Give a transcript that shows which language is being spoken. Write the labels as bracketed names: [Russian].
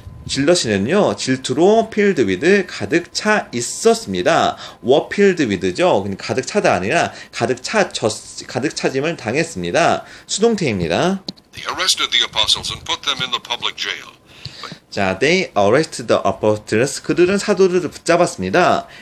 [Korean] 질럿이는요, 질투로 필드 위드 가득 차 있었습니다. 워 필드 위드죠. 가득 차다 아니라 가득 차짐을 당했습니다. 수동태입니다. [English] They arrested the apostles and put them in the public jail. 자, they arrested the apostles. [Korean] 그들은 사도들을 붙잡았습니다.